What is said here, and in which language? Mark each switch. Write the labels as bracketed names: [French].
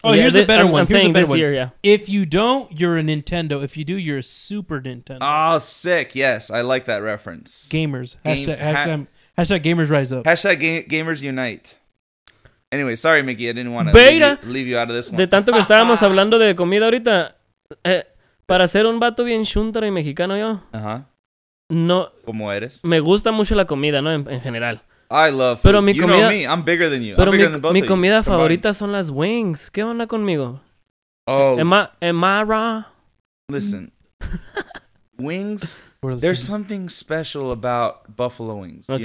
[English] Oh, yeah, here's a better one. Here's a better one. If you don't, you're a Nintendo. If you do, you're a Super Nintendo. Oh, sick. Yes, I like that reference. Gamers. Hashtag gamers rise up. Hashtag gamers unite. Anyway, sorry, Mickey, I didn't want to leave you out of this one. [Spanish] De tanto que estábamos hablando de comida ahorita, para ser un vato bien chuntaro y mexicano yo, no... ¿Cómo eres? Me gusta mucho la comida, ¿no? En general. [English] I love food. [Spanish] Pero mi comida, [English] know me, I'm bigger than you. [Spanish] Pero [English] I'm bigger than both of you. [Spanish] Mi comida favorita son las wings. ¿Qué onda conmigo? [English] Oh. Am I raw? Listen. Wings, there's something special about buffalo wings, okay.